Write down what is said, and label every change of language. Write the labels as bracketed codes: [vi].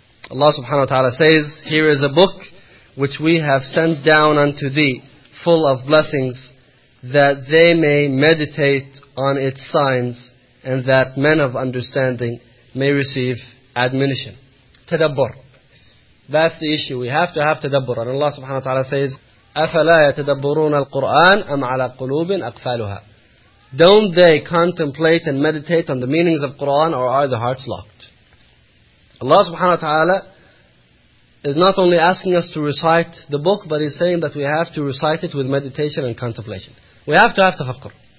[en] Allah subhanahu wa ta'ala says, here is a book which we have sent down unto thee, full of blessings, that they may meditate on its signs, and that men of understanding may receive admonition. Tadabbur. That's the issue. We have to tadabbur. And Allah subhanahu wa ta'ala says, [ar] أَفَلَا يَتَدَبُّرُونَ الْقُرْآنَ أَمْ عَلَىٰ قُلُوبٍ أَقْفَالُهَا. [en] Don't they contemplate and meditate on the meanings of Quran, or are the hearts locked? Allah subhanahu wa ta'ala is not only asking us to recite the book, but He's saying that we have to recite it with meditation and contemplation. We have to have tafakkur.